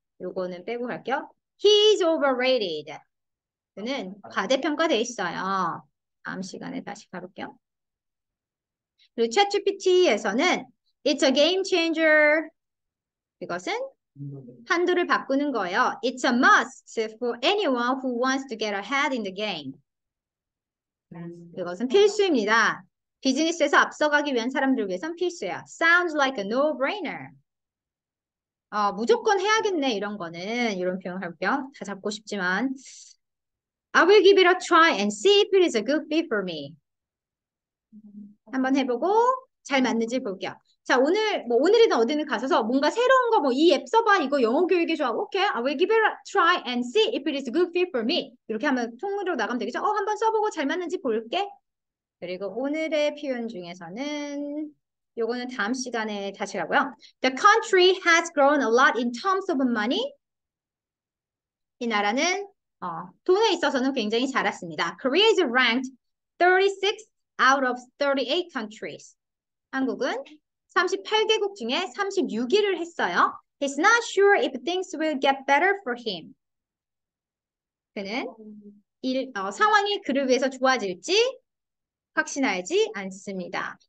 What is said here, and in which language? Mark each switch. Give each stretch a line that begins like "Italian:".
Korean: 요거는 빼고 갈게요.
English: He's overrated.
Korean: 그는 과대평가돼 있어요. 다음 시간에 다시 가볼게요. 그리고 ChatGPT에서는
English: It's a game changer.
Korean: 이것은 판도를 바꾸는 거예요.
English: It's a must for anyone who wants to get ahead in the game.
Korean: 이것은 필수입니다. 비즈니스에서 앞서가기 위한 사람들을 위해선 필수예요. Sounds like a no-brainer. 무조건 해야겠네, 이런 거는. 이런 표현 할게요. 다 잡고 싶지만.
English: I will give it a try and see if it is a good fit for me.
Korean: 한번 해보고 잘 맞는지 볼게요. 자, 오늘이든 어디든 가셔서 뭔가 새로운 거, 뭐, 이앱 써봐, 이거 영어 교육이 좋아.
English: 오케이, I will give it a try and see if it is a good fit for me.
Korean: 이렇게 하면 통으로 나가면 되겠죠? 한번 써보고 잘 맞는지 볼게. 그리고 오늘의 표현 중에서는 요거는 다음 시간에 다시 가고요.
English: The country has grown a lot in terms of money.
Korean: 이 나라는 돈에 있어서는 굉장히 자랐습니다.
English: Korea is ranked 36 out of 38 countries.
Korean: 한국은 38개국 중에 36위를 했어요.
English: He's not sure if things will get better for him.
Korean: 그는 상황이 그를 위해서 좋아질지 확신하지 않습니다.